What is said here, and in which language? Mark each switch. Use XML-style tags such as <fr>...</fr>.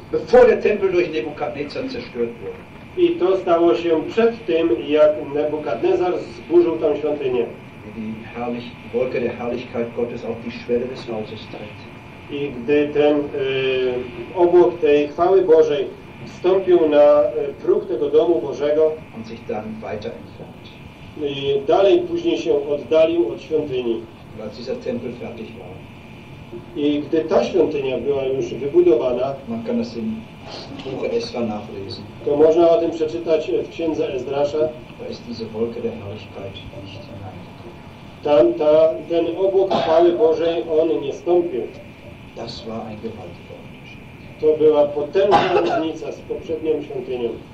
<de>Bevor der Tempel durch Nebukadnezar zerstört wurde.</de> <pl>I to stało się przed tym, jak Nebukadnezar zburzył tą świątynię.</pl> <de>Wolke der Herrlichkeit Gottes auf die Schwelle des Hauses tritt.</de> <pl>I gdy ten obłok tej chwały Bożej wstąpił na próg tego domu Bożego.</pl> <de>Und sich dann weiter entfernt.</de> <pl>I dalej później się oddalił od świątyni.</pl> <de>Als dieser Tempel fertig war.</de> <pl>I gdy ta świątynia była już wybudowana,</pl> <de>man kann das im Buch Esra nachlesen.</de> <pl>To można o tym przeczytać w księdze Esdrasza.</pl> <de>Da ist diese Wolke der Herrlichkeit nicht hinein.</de> <pl>Tam ten obłok chwały Bożej on nie stąpił.</pl> <de>Das war ein gewaltiger.</de> <pl>To była potężna różnica z poprzednią świątynią.</pl>